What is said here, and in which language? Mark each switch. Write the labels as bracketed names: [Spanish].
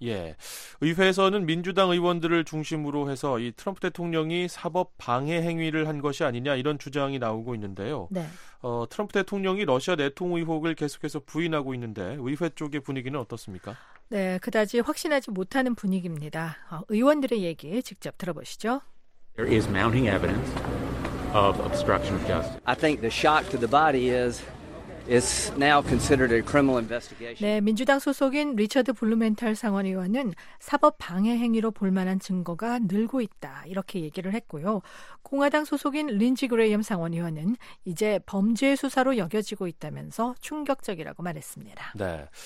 [Korean] 예, 의회에서는 민주당 의원들을 중심으로 해서 이 트럼프 대통령이 사법 방해 행위를 한 것이 아니냐, 이런 주장이 나오고 있는데요. 네. 트럼프 대통령이 러시아 내통 의혹을 계속해서 부인하고 있는데 의회 쪽의 분위기는 어떻습니까? 네, 그다지 확신하지 못하는 분위기입니다. 의원들의 얘기 직접 들어보시죠. [English] There is mounting evidence of obstruction of justice. I think the shock to the body is it's now considered a criminal investigation. [Korean] 네, 민주당 소속인 리처드 블루멘탈 상원 의원은 사법 방해 행위로 볼 만한 증거가 늘고 있다, 이렇게 얘기를 했고요. 공화당 소속인 린지 그레이엄 상원 의원은 이제 범죄 수사로 여겨지고 있다면서 충격적이라고 말했습니다. 네.